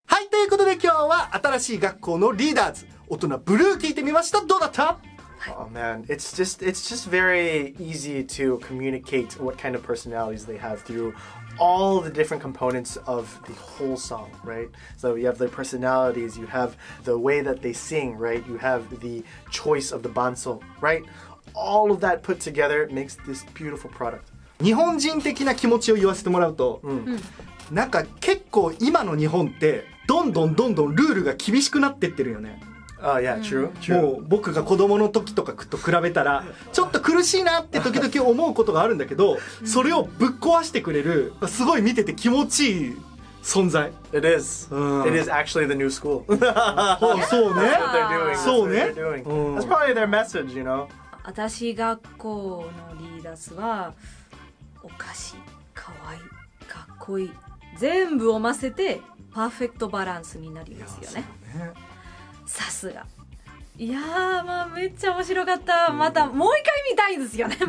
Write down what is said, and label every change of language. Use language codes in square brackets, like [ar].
[ja] ということで今日は新しい学校のリーダーズ大人ブルー聞いてみました。どうだった？ [en] Oh man, it's just very easy to communicate what kind of personalities they have through all the different components of the whole song, right? So you have their personalities, you have the way that they sing, right? You have the choice of the banso, right? All of that put together makes this beautiful product. [ja] 日本人的な気持ちを言わせてもらうと、うん、なんか結構今の日本ってどんどんどんどんルールが厳しくなってってるよね。 [en] Oh, yeah, true, true. [ja] もう僕が子供の時とかと比べたらちょっと苦しいなって時々思うことがあるんだけど、それをぶっ壊してくれるすごい見てて気持ちいい存在。 [en] It is、It is actually the new school. [ja] そうね、 [en] That's what they're doing. [ja] そうね、 [en] That's probably their message, you know. [ja] 私学校のリーダーズはおかしい、かわいい、かっこいい、全部を混ぜてパーフェクトバランスになりますよ ね、ね、さすが。いやー、まあ、めっちゃ面白かった、うん、またもう一回見たいですよね。